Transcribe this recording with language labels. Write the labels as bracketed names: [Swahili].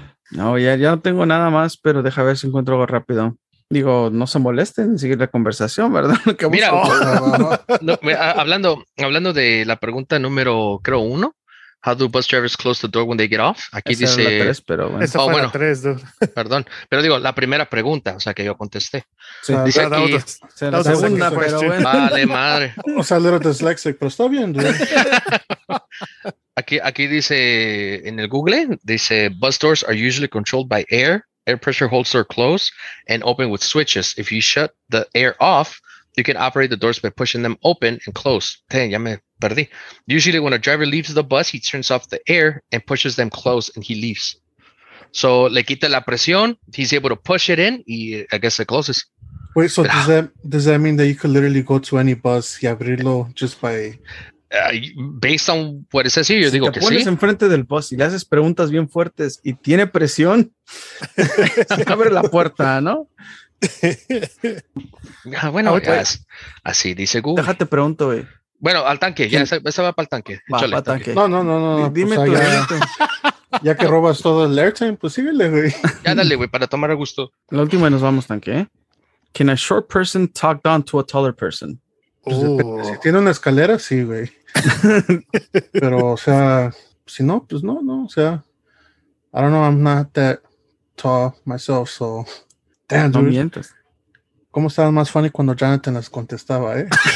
[Spanish] No, ya no tengo nada más, pero deja ver si encuentro algo rápido. Digo, no se molesten, seguir la conversación, ¿verdad? Que mira, oh, hablando de la pregunta número, creo, uno. [English] How do bus drivers close the door when they get off? [Spanish] Aquí esa dice... Esa fue la tres, pero bueno. Oh, bueno, la tres, dude. Perdón, pero digo, la primera pregunta, o sea, que yo contesté. Sí, dice aquí... La segunda, pero bueno. Vale, madre. O sea, [English] a little dyslexic, [Spanish] pero está bien, dude. Aquí dice, en el Google, dice, [English] bus doors are usually controlled by air. Air pressure holds door closed and open with switches. If you shut the air off, you can operate the doors by pushing them open and close. Dang, [Spanish] ya me perdí. [English] Usually when a driver leaves the bus, he turns off the air and pushes them close and he leaves. So [Spanish] le quita la presión. [English] He's able to push it in [Spanish] y [English] I guess it closes. Wait, so does that mean that you could literally go to any bus [Spanish] y abrirlo [English] just by... Based on what it says here, [Spanish] yo si digo que sí. Si te pones enfrente del bus y le haces preguntas bien fuertes y tiene presión, abre la puerta, ¿no? Bueno, así dice Google. Déjate pregunto, güey. Bueno, al tanque, ¿quién? Ya, esa va para el tanque. Tanque. No. Dime, o sea, tú. Ya que robas todo el airtime, pues síguele, güey. Ya dale, güey, para tomar a gusto. La última nos vamos, tanque. [English] Can a short person talk down to a taller person? [Spanish] Pues si tiene una escalera, sí, güey. Pero, o sea, si no, pues no, o sea, [English] I don't know, I'm not that tall myself, so. Damn, no, dude. [Spanish] Mientes. ¿Cómo estaban más funny cuando Jonathan las contestaba, eh?